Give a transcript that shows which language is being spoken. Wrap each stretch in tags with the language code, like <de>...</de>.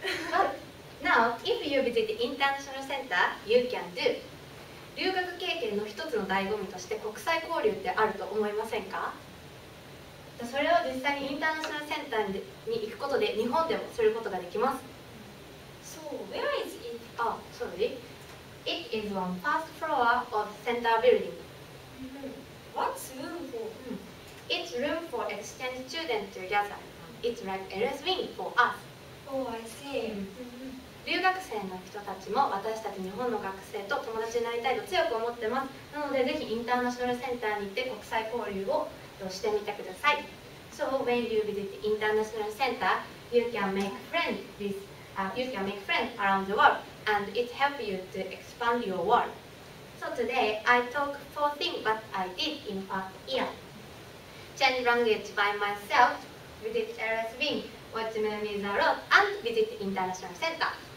<en>But now, if you visit the international center, you can do.</en> <ja>留学経験の一つの醍醐味として国際交流ってあると思いませんか？それを実際にインターナショナルセンターに行くことで日本でもすることができます。</ja> <en>So where is it? Oh, sorry. It is on first floor of center building. What's room for? It's room for exchange students together. It's like Ella's wing for us. Oh, I see.</en> <ja>留学生の人たちも私たち日本の学生と友達になりたいと強く思ってます。なのでぜひインターナショナルセンターに行って国際交流をしてみてください。</ja> <en>So when you visit the international center, you can make friends around the world and it helps you to expand your world. So today I talk four things that I did in past year. Change language by myself, visit LS Wing, watch movies a lot and visit the international center</en>